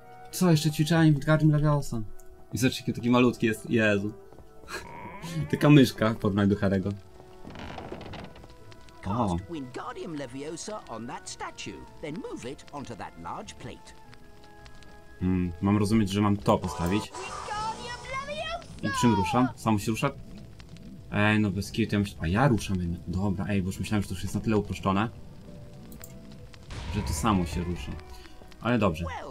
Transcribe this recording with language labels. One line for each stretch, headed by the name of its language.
Polish: Co, jeszcze ćwiczenie Wingardium Leviosa? I zobaczcie, jaki taki malutki jest, Jezu. Taka myszka w porównaniu do Harry'ego.
English: Cast Wingardium Leviosa on that statue, then move it onto that large plate.
Polish: Mam rozumieć, że mam to postawić. I czym ruszam? Samo się rusza? Ej, no bez kitu, ja myślę... A ja ruszam. Dobra, ej, bo już myślałem, że to już jest na tyle uproszczone, że to samo się rusza. Ale dobrze.